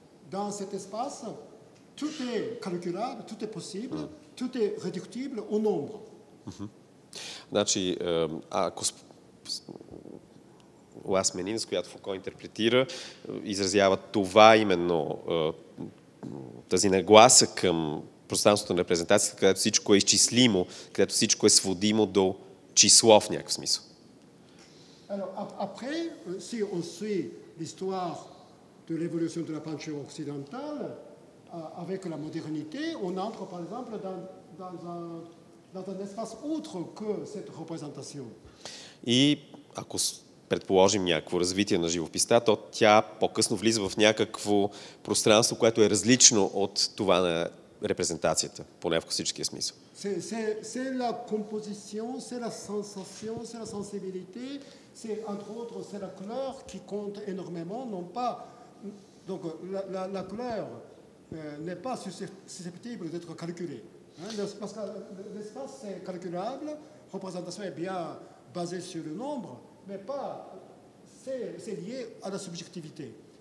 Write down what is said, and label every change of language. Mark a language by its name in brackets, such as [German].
[French] Dans cet espace, tout est calculable, tout est possible, tout est réductible au nombre. [Bulgarian] Значи, ако Лас Менинс, която Фуко интерпретира, изразява това именно, тази нагласа към пространството на репрезентацията, където всичко е изчислимо, където всичко е сводимо до число в някакъв смисъл. [French] Après, si on suit l'histoire de l'évolution de la peinture occidentale, avec la modernité, on entre, par exemple, dans un espace autre que cette représentation. [Bulgarian] И ако предположим някакво развитие на живописта, то тя по-късно влиза в някакво пространство, което е различно от това на репрезентацията, поне в класическия смисъл. [French] C'est la composition, c'est la sensation, c'est la sensibilité, c'est entre autres, c'est la couleur qui compte énormément, non pas... Donc la couleur n'est pas susceptible d'être calculée. Parce que l'espace est calculable, la représentation est bien basée sur le nombre, mais pas c'est lié à la subjectivité.